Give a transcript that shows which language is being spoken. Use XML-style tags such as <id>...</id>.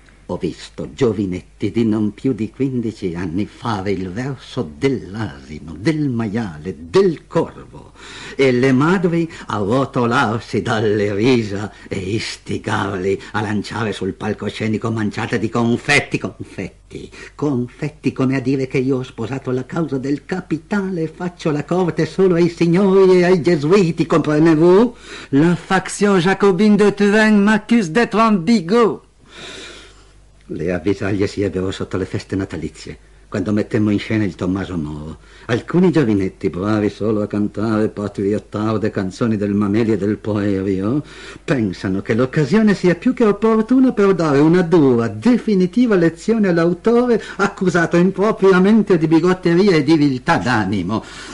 <it>Ho visto giovinetti di non più di 15 anni fare il verso dell'asino, del maiale, del corvo, e le madri arrotolarsi dalle risa e istigarli a lanciare sul palcoscenico manciate di confetti, confetti, confetti, come a dire che io ho sposato la causa del capitale e faccio la corte solo ai signori e ai gesuiti,</it> <fr>comprenez-vous? La faction jacobine de Turin m'accuse d'être ambigu.</fr> <it>Le avvisaglie si ebbero sotto le feste natalizie, quando mettemmo in scena il Tommaso Moro. Alcuni giovinetti, bravi solo a cantare patria tarde, canzoni del Mameli e del Poerio, pensano che l'occasione sia più che opportuna per dare una dura, definitiva lezione all'autore accusato impropriamente di bigotteria e di viltà d'animo.</it>